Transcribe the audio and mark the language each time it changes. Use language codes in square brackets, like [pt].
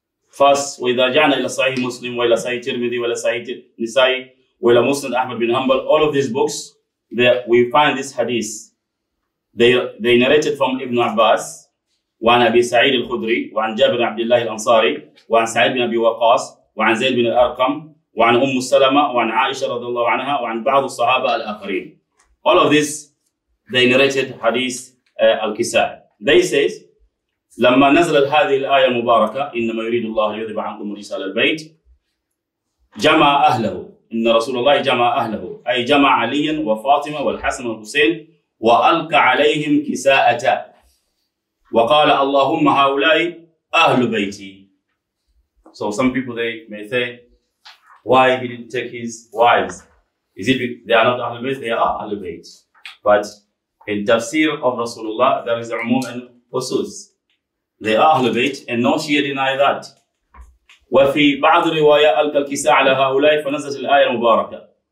[en] First, [ar] وإذا جعنا إلى صحيح مسلم وإلى صحيح ترمذي وإلى صحيح نسائي وإلى مسلم أحمد بن حنبل, [en] all of these books, that we find this hadith. They narrated from Ibn Abbas, [ar] وعن أبي سعيد الخدري, وعن جابر عبد الله الأنصاري, وعن سعيد بن أبي وقاص, وعن زيد بن الأرقم, وعن أم السلمة, وعن عائشة رضي الله عنها, وعن بعض الصحابة الآخرين. [en] All of this, they narrated hadith al-Kisa'i. They say, [ar] لما نزلت هذه الآية المباركة, إنما يريد الله ليذهب عنكم الرجس أهل البيت, جمع أهله. إن رسول الله جمع أهله أي جمع عليا وفاطمة والحسن والحسين وألقى عليهم كساءة وقال اللهم هؤلاء أهل بيتي. [en] So some people they may say, why he didn't take his wives? Is it they are not Ahlul Bayt? They are Ahlul Bayt. But in tafsir of Rasulullah, there is umum and khusus. They are Ahlul Bayt and no Shia deny that. [ar] وفي بعض الروايات ألقى الكساء على هؤلاء فنزلت الآية المباركة.